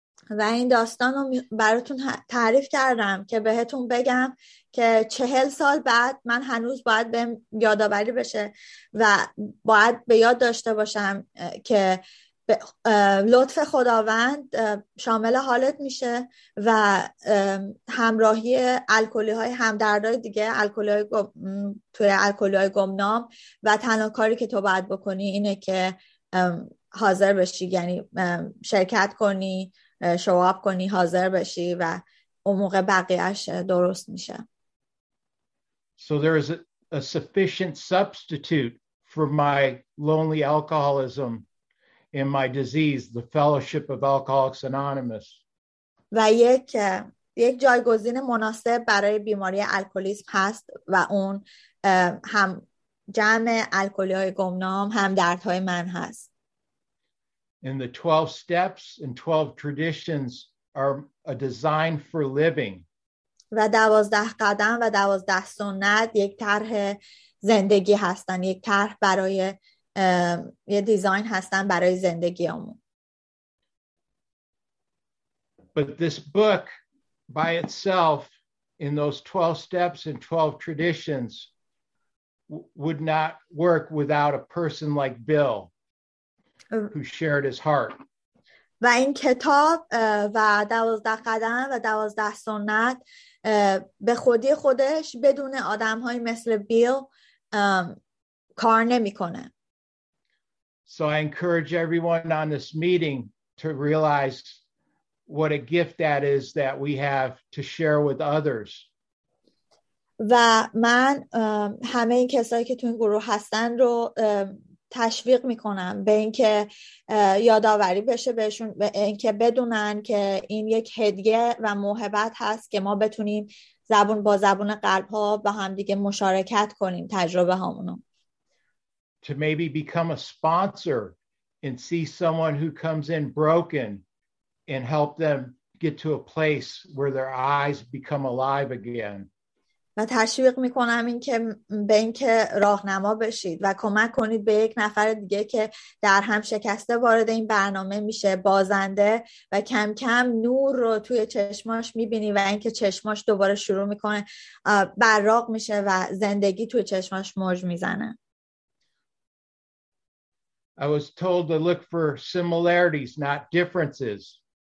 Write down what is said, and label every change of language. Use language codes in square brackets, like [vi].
[fa] و این داستان رو براتون تعریف کردم که بهتون بگم که 40 سال بعد من هنوز باید به یادآوری بشه و باید به یاد داشته باشم که لطف خداوند شامل حالت میشه و همراهی الکلی های همدردهای دیگه توی الکلی های گمنام و تنها کاری که تو باید بکنی اینه که حاضر بشی یعنی شرکت کنی [en] show up [fa] کنی حاضر بشی و اون موقع بقیه‌اش درست میشه. [en] So there is a sufficient substitute for my lonely alcoholism and my disease, the fellowship of Alcoholics Anonymous. [fa] و یک جایگزین مناسب برای بیماری الکلیسم هست و اون هم جمع الکلی‌های گمنام هم دردهای من هست. [en] And the 12 steps and 12 traditions are a design for living. [fa] و 12 قدم و 12 سنت یک طرح زندگی هستن، یک طرح برای یه دیزاین هستن برای زندگیمون. [en] But this book by itself in those 12 steps and 12 traditions would not work without a person like Bill. Who shared his heart. [fa] و این کتاب و 12 قدم و 12 سنت به خودی خودش بدون آدم‌های مثل بیل کار نمی‌کنه. [en] So I encourage everyone on this meeting to realize what a gift that is that we have to share with others. [fa] و من همه این کسایی که تو این گروه هستن رو تشویق میکنم به اینکه یاداوری بشه بهشون، به اینکه بدونن که این یک هدیه و موهبت هست که ما بتونیم زبون با زبون قلب ها با هم دیگه مشارکت کنیم تجربه هامونو. [en] To maybe become a sponsor and see someone who comes in broken and help them get to a place where their eyes become alive again. [fa] و تشویق میکنم این که به این که راهنما بشید و کمک کنید به یک نفر دیگه که در هم شکسته وارد این برنامه میشه بازنده و کم کم نور رو توی چشماش میبینی و اینکه چشماش دوباره شروع میکنه براق میشه و زندگی توی چشماش موج میزنه. [en] I was told to look for similarities, not differences.